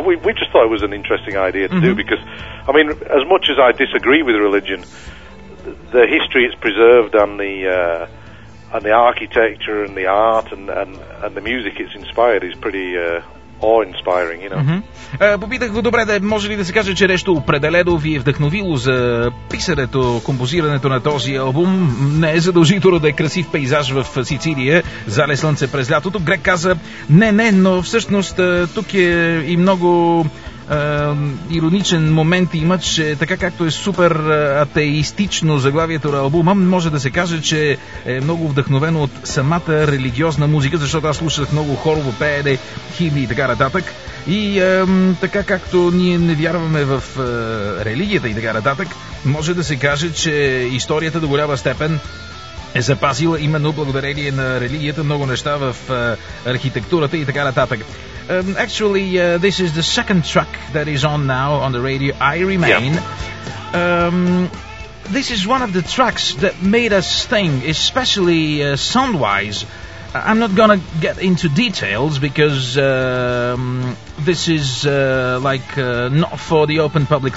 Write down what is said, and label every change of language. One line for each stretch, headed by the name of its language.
English: We just thought it was an interesting idea to mm-hmm. do because, I mean, as much as I disagree with religion, the history it's preserved and the architecture and the art and the music it's inspired is pretty awe-inspiring, you know. Mm-hmm.
Bulgarian: Попитах го, добре, да може ли да се каже, че нещо определено ви е вдъхновило за писането, композирането на този албум. Не е задължително да е красив пейзаж в Сицилия, зале слънце през лятото. Грек каза, не, но всъщност тук е и много ироничен момент има, че така както е супер атеистично заглавието на албума, може да се каже, че е много вдъхновено от самата религиозна музика, защото аз слушах много хорово пеене, химни и така нататък. И така както ние не вярваме в религията и така нататък, може да се каже, че историята до голяма степен е запазила именно благодарение на религията много неща в архитектурата и така нататък.
English: This is the second track that is on now on the radio, I Remain. Yep. This is one of the tracks that made us think, especially sound-wise. I'm not gonna get into details because this is not for the open public.